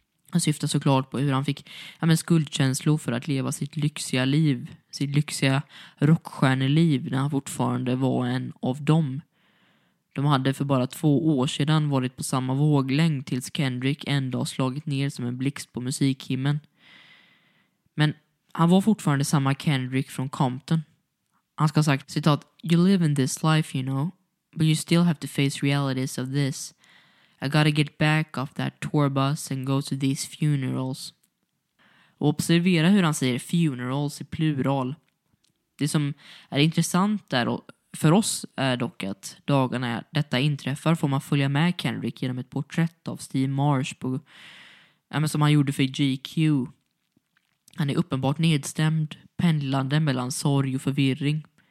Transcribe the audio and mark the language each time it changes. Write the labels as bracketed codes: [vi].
[sv] Han syftar såklart på hur han fick skuldkänslor för att leva sitt lyxiga liv, sitt lyxiga rockstjärneliv när han fortfarande var en av dem. De De hade för bara 2 år sedan varit på samma våglängd tills Kendrick en dag slagit ner som en blixt på musikhimmen. Men han var fortfarande samma Kendrick från Compton. Han ska ha sagt, citat, [en] "You live in this life, you know, but you still have to face realities of this. I gotta get back off that tour bus and go to these funerals." [sv] Och observera hur han säger funerals i plural. Det som är intressant där och för oss är dock att dagarna detta inträffar får man följa med Kendrick genom ett porträtt av Steve Marsh på, ja, men som han gjorde för GQ. Han är uppenbart nedstämd, pendlande mellan sorg och förvirring.